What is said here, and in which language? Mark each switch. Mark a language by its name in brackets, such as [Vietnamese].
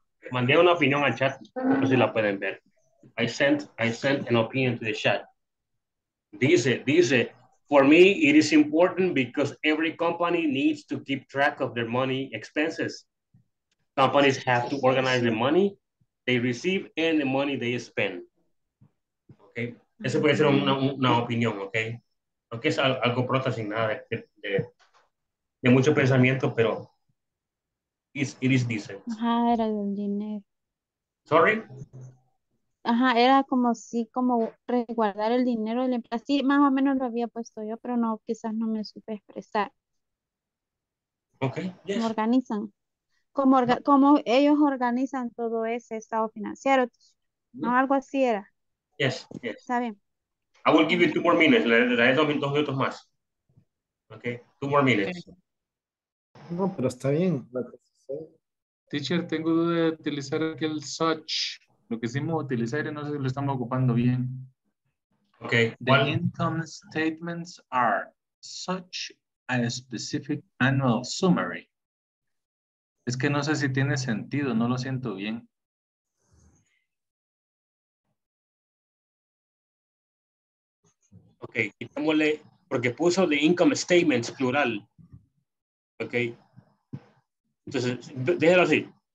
[Spanish] Mandé una opinión al chat, no sé si la pueden ver. [English] I sent an opinion to the chat. Dice, for me it is important because every company needs to keep track of their money expenses. Companies have to organize the money they receive and the money they spend. [Spanish] Okay. Eso puede ser una opinión, okay? Aunque es algo pronto sin nada de mucho pensamiento, pero [English] it is decent. [Spanish] Ajá, era del dinero. [English] Sorry. [Spanish] Ajá, era como si como resguardar el dinero del empleado. Sí, más o menos lo había puesto yo, pero no, quizás no me supe expresar. [English] Okay. Yes. [Spanish] ¿Cómo organizan? ¿Cómo ellos organizan todo ese estado financiero? No, algo así era. [English] Yes, yes. [Spanish] Está bien. [English] I will give you 2 more minutes. [Spanish] Le daré 2 minutos más. [English] Ok, 2 more minutes. [Spanish] No, pero está bien. Teacher, tengo duda de utilizar aquel such. Lo que hicimos utilizar y no sé si lo estamos ocupando bien. Ok. [English] The income statements are such a specific annual summary. [Spanish] Es que no sé si tiene sentido, no lo siento bien. Ok, quitémosle, porque puso [English] the income statements [Spanish] plural. Ok. Entonces, déjelo así.